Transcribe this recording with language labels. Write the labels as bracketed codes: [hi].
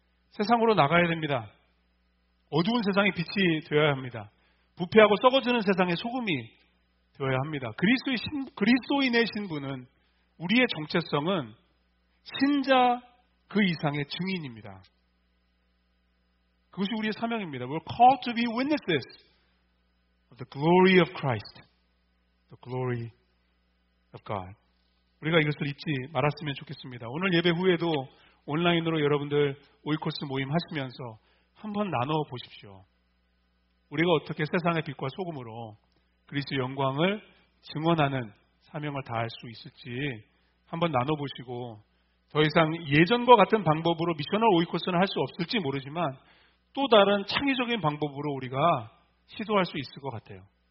[ko] 세상으로 나가야 됩니다. 어두운 세상의 빛이 되어야 합니다. 부패하고 썩어지는 세상의 소금이 되어야 합니다. 그리스도인의 신분은 우리의 정체성은 신자 그 이상의 증인입니다. 그것이 우리의 사명입니다. [en] We're called to be witnesses of the glory of Christ, the glory of God. [ko] 우리가 이것을 잊지 말았으면 좋겠습니다. 오늘 예배 후에도 온라인으로 여러분들 오이코스 모임 하시면서 한번 나눠 보십시오. 우리가 어떻게 세상의 빛과 소금으로 그리스도 영광을 증언하는 사명을 다할 수 있을지 한번 나눠보시고 더 이상 예전과 같은 방법으로 미션을 오이코스는 할 수 없을지 모르지만 또 다른 창의적인 방법으로 우리가 시도할 수 있을 것 같아요.